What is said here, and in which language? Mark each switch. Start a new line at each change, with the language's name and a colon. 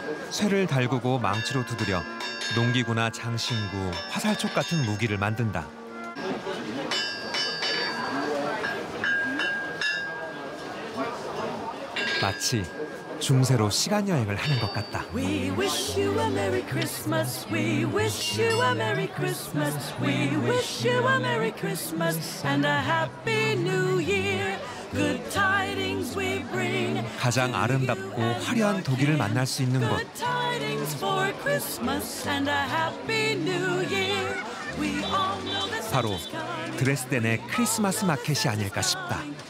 Korean: 쇠를 달구고 망치로 두드려 농기구나 장신구, 화살촉 같은 무기를 만든다. 마치 중세로 시간 여행을 하는 것 같다.
English: We wish you a merry Christmas. We wish you a merry Christmas. We wish you a merry Christmas and a happy new year. Good tidings we bring.
Korean: 가장 아름답고 화려한 독일을 만날 수 있는 곳.
English: Good tidings for Christmas and a happy new year. We all know that
Korean: 바로 드레스덴의 크리스마스 마켓이 아닐까 싶다.